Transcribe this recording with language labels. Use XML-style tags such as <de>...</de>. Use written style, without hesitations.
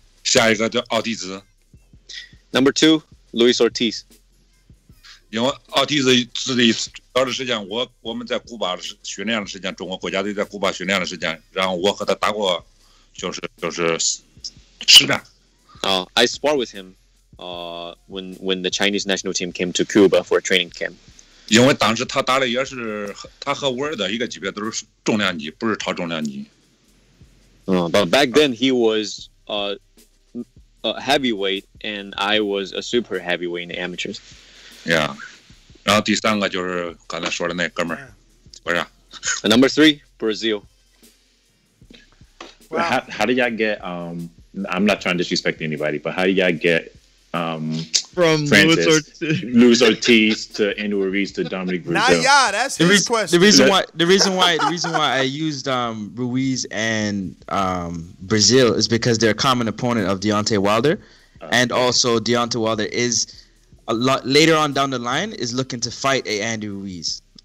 <zh>下一个叫奥迪兹。</zh> <en>Number 2, Luis Ortiz.</en> <zh>因为奥迪兹的时间，我们在古巴训练的时间，中国国家队在古巴训练的时间，然后我和他打过，就是实战。</zh> <en>I sparred with him, when the Chinese national team came to Cuba for a training camp.</en> <zh>因为当时他打的也是他和威尔的一个级别，都是重量级，不是超重量级。But</zh> <en>back then he was a heavyweight, and I was a super heavyweight in the amateurs. Yeah.</en> <zh>然后第三个就是刚才说的那哥们儿，不是。</zh> <en>Number 3, Brazil. Wow. How did y'all get? I'm not trying to disrespect anybody, but how did y'all get from Francis, Luis Ortiz to Andrew Ruiz to Dominic Brazil. Nah, yeah, that's the his question. The reason why I used Ruiz and Brazil is because they're a common opponent of Deontay Wilder, and also Deontay Wilder is a lot later on down the line is looking to fight a Andrew Ruiz.</en>